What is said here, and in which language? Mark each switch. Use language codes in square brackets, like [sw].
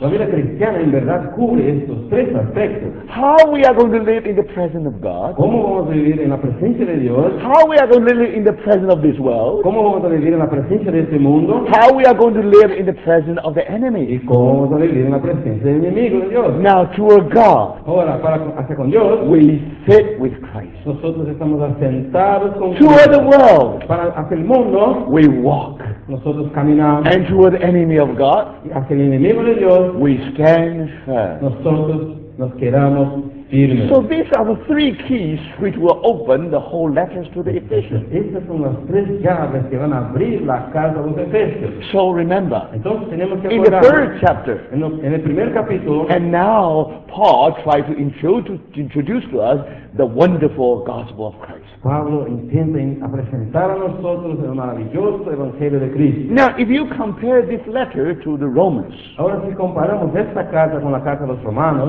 [es] La vida cristiana en verdad cubre estos tres aspectos. [en] How we are going to live in the presence of God. [es] ¿Cómo vamos a vivir en la presencia de Dios? [en] How we are going to live in the presence of this world. [es] ¿Cómo vamos a vivir en la presencia de este mundo? [en] How we are going to live in the presence of the enemy. [es] ¿Y cómo vamos a vivir en la presencia del enemigo de Dios? [en] Now to a God. [es] Ahora, para hacia con Dios, [en] we sit with Christ. [es] Nosotros estamos asentados con [en] Cristo. To the world, [es] para hacia el mundo, [en] we walk. [es] Nosotros caminamos. [en] And to the enemy of God, [es] hacia el enemigo de Dios, [en] we stand firm. [es] Nosotros nos quedamos firmes. [en] So these are the three keys which will open the whole letters to the Ephesians. [es] Estas son las tres llaves que van a abrir la carta a los Efesios. [en] So remember, [es] entonces tenemos que [en] in the third chapter, [es] en el primer capítulo, [en] and now Paul tries to introduce to us the wonderful gospel of Christ. [es] Pablo intenta presentar a nosotros el maravilloso evangelio de Cristo. [en] Now, if you compare this letter to the Romans, [es] ahora si comparamos esta carta con la carta a los Romanos,